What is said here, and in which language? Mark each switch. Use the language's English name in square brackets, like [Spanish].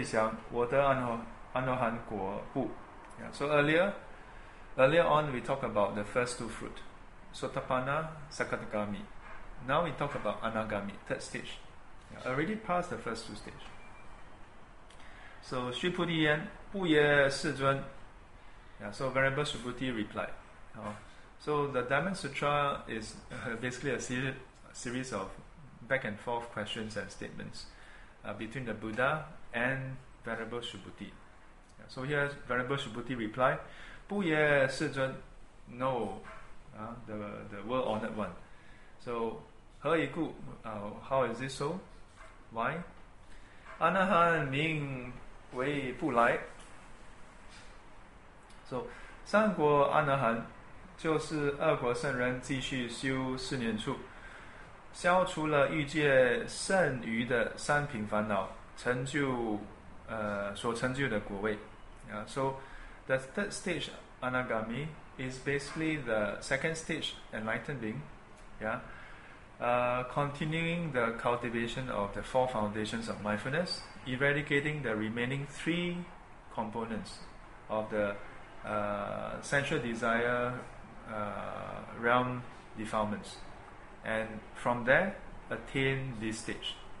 [Chinese] 现在是说三果会祥，我得阿罗汉果不。 [English] Yeah, so earlier on we talked about the first 2 fruit, Sotapanna, Sakadagami. Now we talk about Anagami, 3rd stage. Yeah, already passed the first 2 stage. [Chinese] So 须菩提言，不也世尊。 [English] Yeah, so Venerable Subhuti replied. So the Diamond Sutra is basically a series of back and forth questions and statements between the Buddha and Venerable Subhuti. Yeah, so here Venerable Subhuti replied, [Chinese] 不也世尊, [English] no, the world honored one. So [Chinese] 何以故, [English] how is this so? Why? [Chinese] 阿那含名为不来. So, 三果阿那含就是二果圣人继续修四念处，消除了欲界剩余的三品烦恼，成就所成就的果位. [English] Yeah, so, the third stage Anagami is basically the second stage enlightened being. Yeah, continuing the cultivation of the 4 foundations of mindfulness, eradicating the remaining 3 components of the sensual desire realm defilements, and from there attain this stage.